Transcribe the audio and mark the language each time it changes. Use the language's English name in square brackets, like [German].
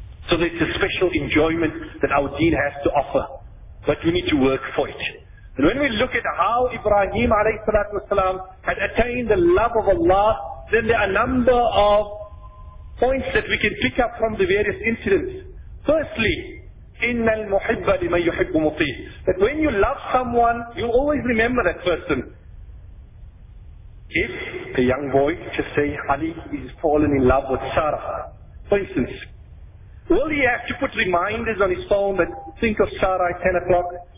[English] So there's a special enjoyment that our deen has to offer, but we need to work for it. And when we look at how Ibrahim alayhi salatu wasalam had attained the love of Allah, then there are a number of points that we can pick up from the various incidents. Firstly, [Arabic] إِنَّ الْمُحِبَّ لِمَنْ يُحِبُّ مُطِيْهِ. [English] That when you love someone, you always remember that person. If the young boy, just say, Ali is fallen in love with Sarah, for instance, will he have to put reminders on his phone that think of Sarah at 10 o'clock,